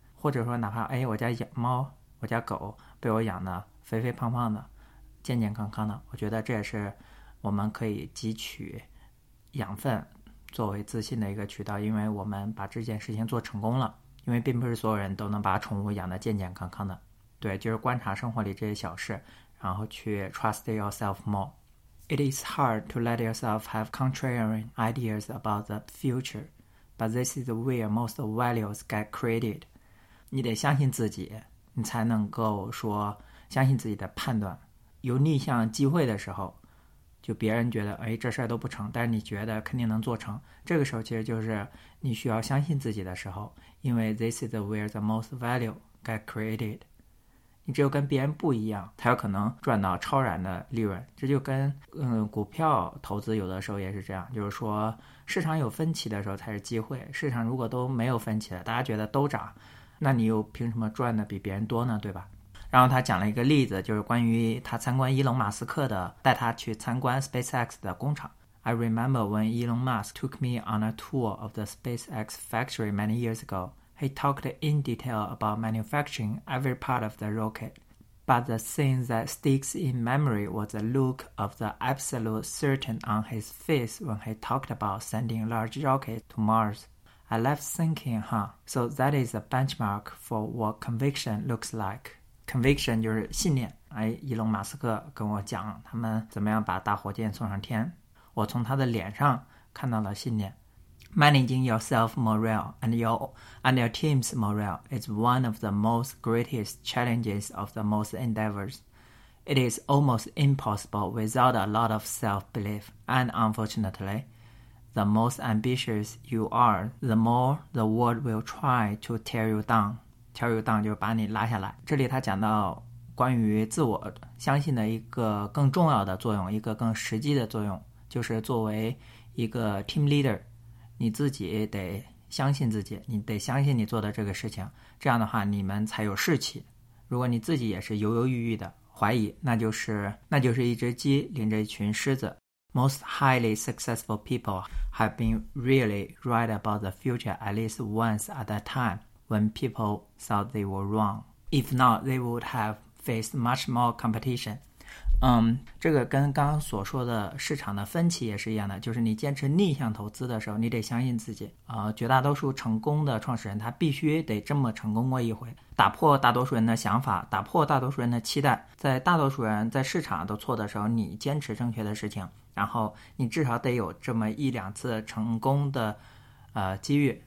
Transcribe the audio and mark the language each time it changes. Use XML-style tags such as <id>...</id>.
<zh>或者说哪怕我家养猫，我家狗被我养的肥肥胖胖的，健健康康的，我觉得这也是我们可以汲取养分作为自信的一个渠道，因为我们把这件事情做成功了。因为并不是所有人都能把宠物养得健健康康的。对，就是观察生活里这些小事，然后去</zh> <en>trust yourself more. It is hard to let yourself have contrary ideas about the future, but this is where most values get created.</en> <zh>你得相信自己，你才能够说相信自己的判断。有逆向机会的时候，就别人觉得哎这事儿都不成，但是你觉得肯定能做成，这个时候其实就是你需要相信自己的时候，因为</zh> <en>this is where the most value get created。</en> <zh>你只有跟别人不一样才有可能赚到超然的利润。这就跟股票投资有的时候也是这样，就是说市场有分歧的时候才是机会，市场如果都没有分歧的，大家觉得都涨，那你又凭什么赚的比别人多呢，对吧？然后他讲了一个例子，就是关于他参观伊隆马斯克的，带他去参观 SpaceX 的工厂。</zh> <en>I remember when Elon Musk took me on a tour of the SpaceX factory many years ago. He talked in detail about manufacturing every part of the rocket. But the thing that sticks in memory was the look of the absolute certainty on his face when he talked about sending large rockets to Mars. I left thinking, huh? So that is a benchmark for what conviction looks like.</en> <zh>Conviction 就是信念。哎，伊隆马斯克跟我讲他们怎么样把大火箭送上天，我从他的脸上看到了信念。</zh> <en>Managing yourself morale and your team's morale is one of the most greatest challenges of the most endeavors. It is almost impossible without a lot of self-belief, and unfortunately,The most ambitious you are, the more the world will try to tear you down.</en> <zh>Tear you down 就是把你拉下来。这里他讲到关于自我相信的一个更重要的作用，一个更实际的作用，就是作为一个 team leader, 你自己得相信自己，你得相信你做的这个事情，这样的话你们才有士气。如果你自己也是犹犹豫豫的怀疑，那就是一只鸡领着一群狮子。</zh> <en>Most highly successful people have been really right about the future at least once at a time when people thought they were wrong. If not, they would have faced much more competition.</en> <zh>这个跟刚刚所说的市场的分歧也是一样的，就是你坚持逆向投资的时候，你得相信自己。绝大多数成功的创始人，他必须得这么成功过一回，打破大多数人的想法，打破大多数人的期待。在大多数人在市场都错的时候，你坚持正确的事情，然后你至少得有这么一两次成功的机遇。</zh>